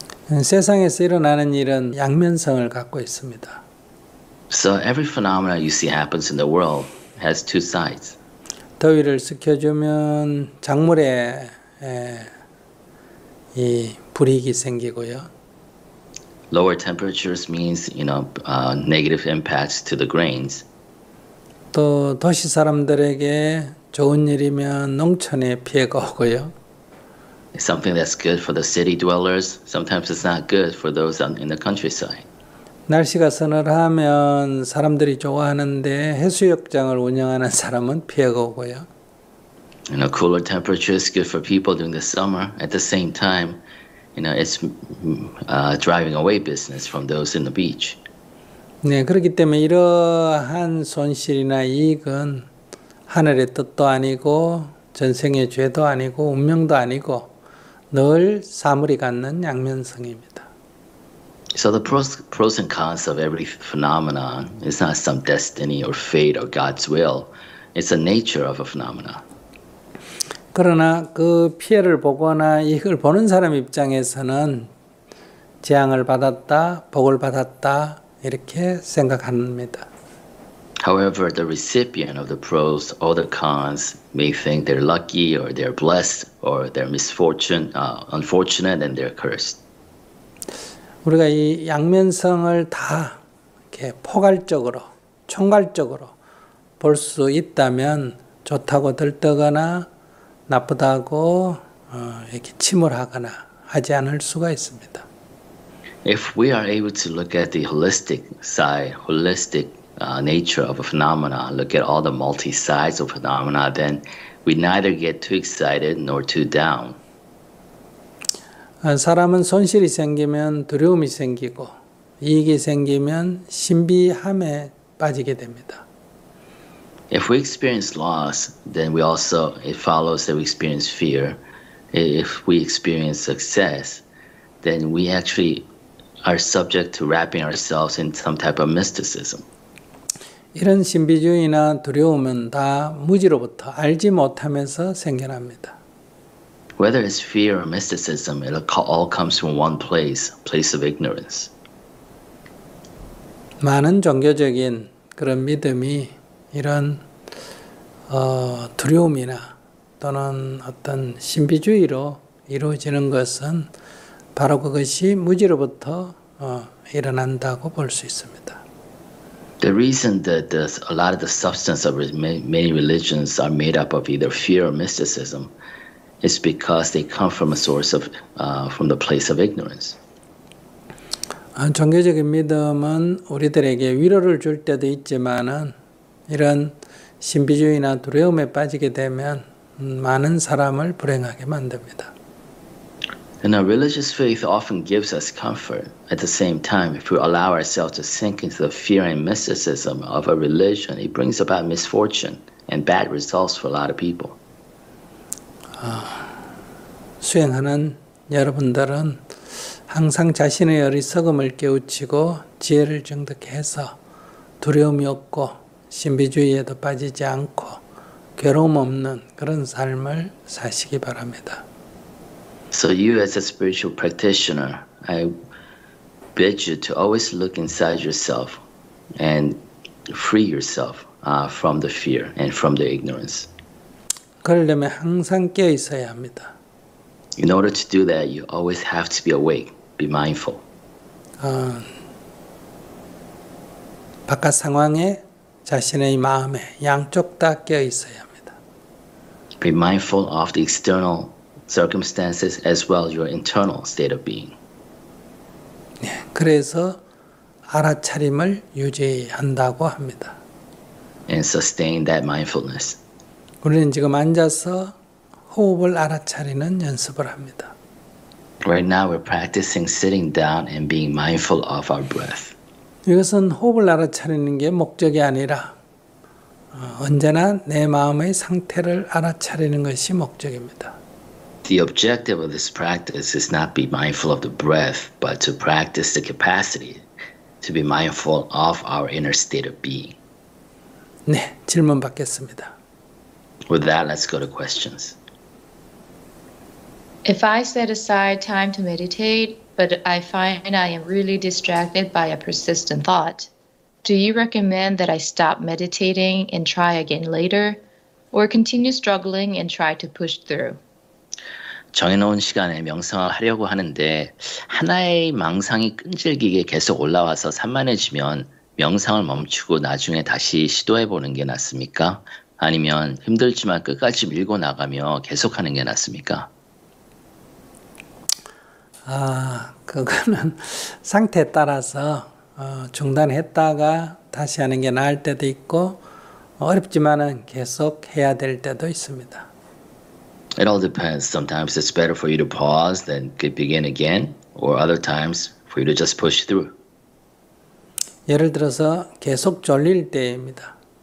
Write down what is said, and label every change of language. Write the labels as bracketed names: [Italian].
[Korean] 세상에서 일어나는 일은 양면성을 갖고 있습니다. [English] So every phenomenon you see happens in the world has two sides. [Korean] 더위를 식혀주면 작물에 이 불이익이 생기고요. [English] Lower temperatures means, you know, negative impacts to the grains. [Korean] 또 도시 사람들에게 좋은 일이면 농촌에 피해가 오고요. [English] Something that's good for the city dwellers, sometimes it's not good for those in the countryside. [Korean] 날씨가 서늘하면 사람들이 좋아하는데 해수욕장을 운영하는 사람은 피해가 오고요. [English] You know, cooler temperature is good for people during the summer. At the same time, you know, it's driving away business from those in the beach. [Korean] 네, 그렇기 때문에 이러한 손실이나 이익은 하늘의 뜻도 아니고 전생의 죄도 아니고 운명도 아니고 늘 사물이 갖는 양면성입니다. [English] So the pros and cons of every phenomenon is not some destiny or fate or God's will. It's the nature of a phenomenon. [Korean] 그러나 그 피해를 보거나 이익을 보는 사람 입장에서는 재앙을 받았다, 복을 받았다 이렇게 생각합니다. [English] However, the recipient of the pros or the cons may think they're lucky or they're blessed or they're unfortunate and they're cursed. [Korean] 우리가 이 양면성을 다 이렇게 포괄적으로, 총괄적으로 볼 수 있다면 좋다고 들뜨거나 나쁘다고 이렇게 침울하거나 하지 않을 수가 있습니다. [English] If we are able to look at the holistic side, holistic nature of a phenomena, look at all the multi sides of phenomena, then we neither get too excited nor too down. [Korean] 사람은 손실이 생기면 두려움이 생기고 이익이 생기면 신비함에 빠지게 됩니다. [English] If we experience loss, then we also it follows that we experience fear. If we experience success, then we actually are subject to wrapping ourselves in some type of mysticism. [Korean] 이런 신비주의나 두려움은 다 무지로부터 알지 못함에서 생겨납니다. [English] Whether it's fear or mysticism, it all comes from one place, place of ignorance. [Korean] 많은 종교적인 그런 믿음이 이런 두려움이나 또는 어떤 신비주의로 이루어지는 것은 바로 그것이 무지로부터 일어난다고 볼 수 있습니다. [English] The reason that a lot of the substance of many religions are made up of either fear or mysticism is because they come from a source of from the place of ignorance. [Korean] 종교적인 믿음은 우리들에게 위로를 줄 때도 있지만은 이런 신비주의나 두려움에 빠지게 되면 많은 사람을 불행하게 만듭니다. [English] And our religious faith often gives us comfort. At the same time, if we allow ourselves to sink into the fear and mysticism of a religion, it brings about misfortune and bad results for a lot of people. [Korean] 수행하는 여러분들은 항상 자신의 어리석음을 깨우치고 지혜를 증득해서 두려움이 없고 신비주의에도 빠지지 않고 괴로움 없는 그런 삶을 사시기 바랍니다. [English] So you as a spiritual practitioner, I bid you to always look inside yourself and free yourself from the fear and from the ignorance. [Korean] 그러려면 항상 깨어 있어야 합니다. [English] In order to do that, you always have to be awake, be mindful. [Korean] 바깥 상황에 자신의 마음에 양쪽 다 깨어 있어야 합니다. [English] Be mindful of the external circumstances as well as your internal state of being. [Korean] 네, 그래서 알아차림을 유지한다고 합니다. [English] And sustain that mindfulness. [Korean] 우리는 지금 앉아서 호흡을 알아차리는 연습을 합니다. [English] Right now we're practicing sitting down and being mindful of our breath. [Korean] 이것은 호흡을 알아차리는 게 목적이 아니라 언제나 내 마음의 상태를 알아차리는 것이 목적입니다. [English] The objective of this practice is not to be mindful of the breath, but to practice the capacity to be mindful of our inner state of being. [Korean] 네, 질문 받겠습니다. [English] With that, let's go to questions. If I set aside time to meditate, but I find I am really distracted by a persistent thought, do you recommend that I stop meditating and try again later, or continue struggling and try to push through? [Korean] 정해놓은 시간에 명상을 하려고 하는데 하나의 망상이 끈질기게 계속 올라와서 산만해지면 명상을 멈추고 나중에 다시 시도해보는 게 낫습니까? 아니면 힘들지만 끝까지 밀고 나가며 계속하는 게 낫습니까? 아, 그거는 상태에 따라서 중단했다가 다시 하는 게 나을 때도 있고 어렵지만은 계속해야 될 때도 있습니다. [English] It all depends. Sometimes it's better for you to pause than begin again, or other times for you to just push through. [Korean] 예를 들어서 계속 졸릴 때입니다.